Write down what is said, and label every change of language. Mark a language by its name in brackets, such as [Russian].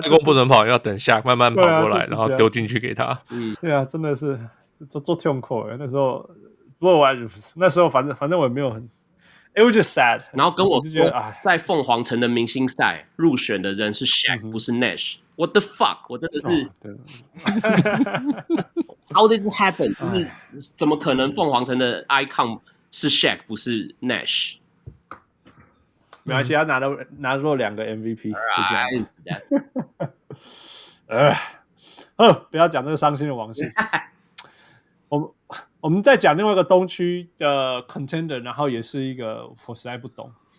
[Chinese] 最后不能跑要等 Shaq 慢慢跑过来、啊、然后丢进去给他，对啊真的是做痛苦的那时候，不过那时候反正我也没有很 [English] It was just sad， [Chinese] 然后跟我说在凤凰城的明星赛入选的人是 Shaq、嗯、不是 Nash， [English] What the fuck！ [Chinese] 我真的是、 [English] oh, ，How this happen？ [Chinese] 就是怎么可能？凤凰城的 icon 是 Shaq 不是 Nash？没关系，他拿了两个 MVP， 就这样。不要讲这个伤心的往事。我们再讲另外一个东区的 contender， 然后也是一个我实在不懂。